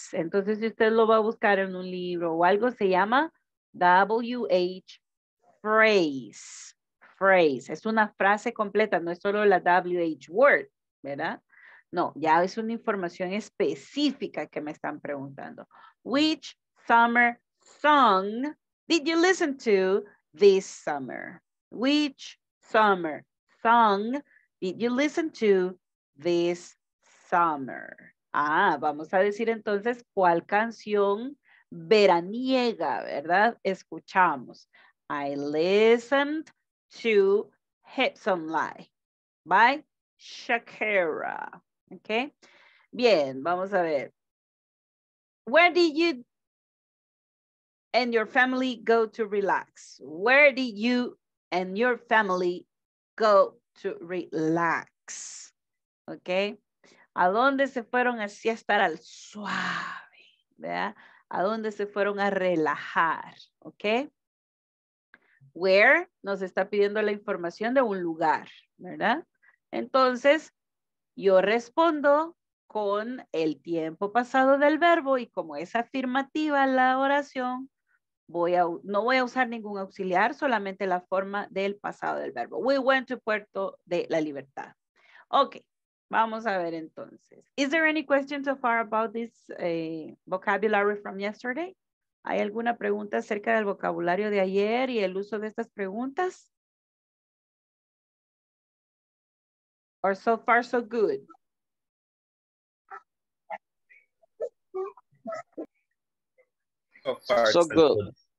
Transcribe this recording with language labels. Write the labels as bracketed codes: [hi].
[es] Entonces si usted lo va a buscar en un libro o algo, se llama WH phrase. Phrase. Es una frase completa, no es solo la WH word, ¿verdad? No, ya es una información específica que me están preguntando. [en] Which summer song did you listen to this summer? Which summer song did you listen to this summer? [es] Ah, vamos a decir entonces cuál canción veraniega, ¿verdad? [en] Escuchamos. I listened to Hips on Lie by Shakira. Okay. [es] Bien, vamos a ver. [en] Where did you and your family go to relax? Where did you and your family go to relax? Okay. [es] ¿A dónde se fueron a siestar al suave? ¿Verdad? ¿A dónde se fueron a relajar? Okay. Where nos está pidiendo la información de un lugar, ¿verdad? Entonces, yo respondo con el tiempo pasado del verbo y como es afirmativa la oración, no voy a usar ningún auxiliar, solamente la forma del pasado del verbo. [en] We went to Puerto de la Libertad. Okay, [es] vamos a ver entonces. [en] Is there any question so far about this vocabulary from yesterday? [es] ¿Hay alguna pregunta acerca del vocabulario de ayer y el uso de estas preguntas? [en] Or so far so good? So far so good.